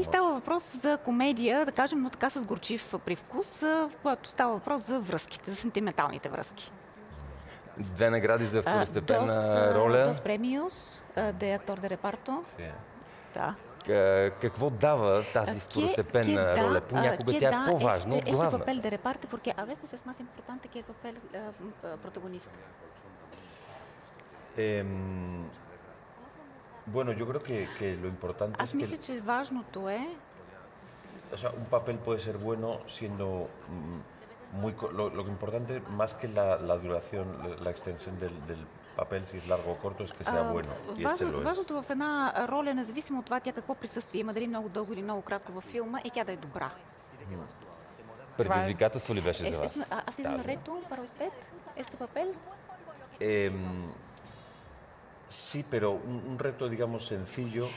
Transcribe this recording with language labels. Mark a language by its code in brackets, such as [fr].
[bg] И става въпрос за комедия, да кажем, но така с горчив привкус, в която става въпрос за връзките, за сентименталните връзки. Две награди за второстепенна роля. [es] Dos premios de actor de reparto. Sí. [bg] Да. Какво дава тази второстепенна роля? Понякога тя е по-важна от главната. [es] Este papel de reparto, porque a veces es más importante que el papel protagonista. Bueno, yo creo que lo importante es que... [bg] Аз мисля, че важното е... [es] O sea, un papel puede ser bueno siendo... Muy, lo que importante, más que la duración, la extensión del papel, si es largo o corto, es que sea bueno. [bg] Важното в една роля, независимо от това тя какво присъствие има, дали много дълго или много кратко във филма, е тя да е добра. Предизвикателство ли беше за вас? [es] Аз идвам на рето, първо стет, ести папел? Sí, pero un reto, digamos, sencillo.